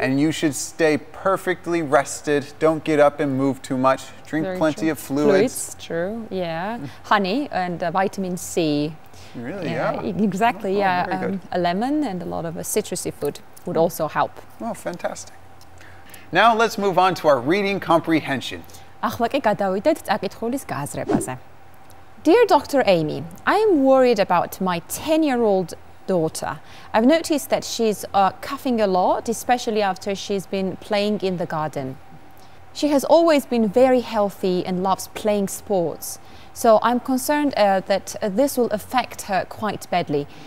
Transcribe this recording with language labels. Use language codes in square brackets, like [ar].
[en] And you should stay perfectly rested. Don't get up and move too much. Drink Very plenty true. Of fluids. Fluids, true, yeah. Honey and vitamin C. Really, yeah. Exactly, oh, yeah. Very good. A lemon and a lot of citrusy food would also help. Oh, fantastic. Now let's move on to our reading comprehension. [ka] ახლა კი გადავიდეთ წაკითხულის გააზრებაზე. [en] Dear Dr. Amy, I am worried about my 10-year-old daughter. I've noticed that she's coughing a lot, especially after she's been playing in the garden. She has always been very healthy and loves playing sports. So I'm concerned that this will affect her quite badly.